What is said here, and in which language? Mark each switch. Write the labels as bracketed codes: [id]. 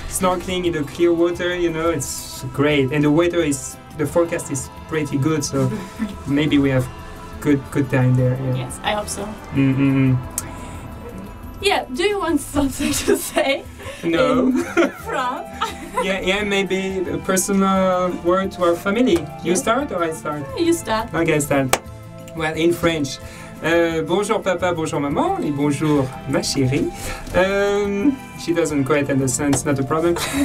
[en] Snorkeling in the clear water, you know, it's great. And the weather is, the forecast is pretty good, so maybe we have good time there. Yeah. Yes, I hope so. Mm-hmm. Yeah, do you want something to say? No. France? yeah, maybe a personal word to our family. Yeah. You start or I start? You start. Okay, I start. Well, in French. [fr] Bonjour papa, bonjour maman, et bonjour ma chérie. [en] She doesn't quite understand, it's not a problem.